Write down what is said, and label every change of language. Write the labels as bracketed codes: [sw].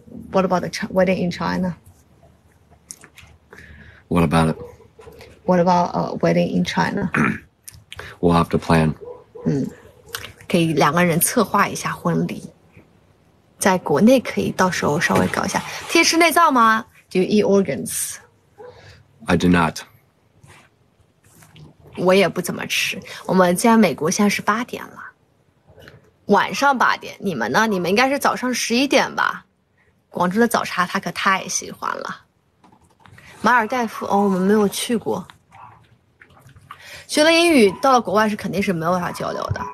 [en] What about the wedding in China? What about it? What about a wedding in China? We'll have to plan. [zh] 可以两个人策划一下婚礼。在国内可以到时候稍微搞一下。贴吃内脏吗 ？ [en] Do you eat organs? I do not. [zh] 我也不怎么吃。我们现在美国现在是八点了，晚上八点。你们呢？你们应该是早上十一点吧？广州的早茶他可太喜欢了。马尔代夫哦，我们没有去过。学了英语到了国外是肯定是没有啥交流的。